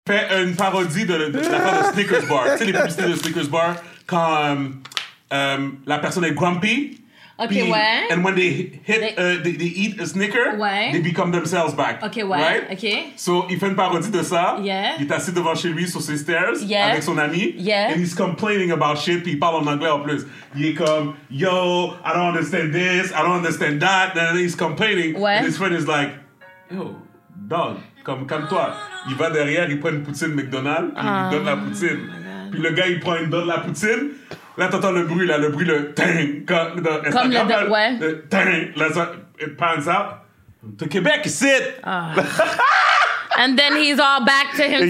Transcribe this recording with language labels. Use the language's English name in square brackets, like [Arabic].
[French] fait une parodie de l'affaire de Snickers Bar. Tu sais, les publicités de Snickers Bar, quand la personne est grumpy. OK, puis, ouais. [English] And when they eat a Snicker, [French] ouais. [English] They become themselves back. [French] OK, ouais. Right? OK. So, il fait une parodie de ça. [English] Yeah. [French] Il est assis devant chez lui sur ses stairs [English] yeah. [French] avec son ami. [English] Yeah. And he's complaining about shit, [French] puis il parle en anglais en plus. Il est comme, [English] yo, I don't understand this, I don't understand that. And then he's complaining. [French] Ouais. [English] And his friend is like, yo, dog, [French] comme calme-toi. Il va derrière, il prend une poutine McDonald's, et il lui donne la poutine. Puis le gars, il prend une donne la poutine. Là, t'entends le bruit, là, le bruit, le ting, comme le ting, ouais. Le ting, là, ça, [English] it pans out. [French] To Quebec, sit! [English] And then he's all back to himself.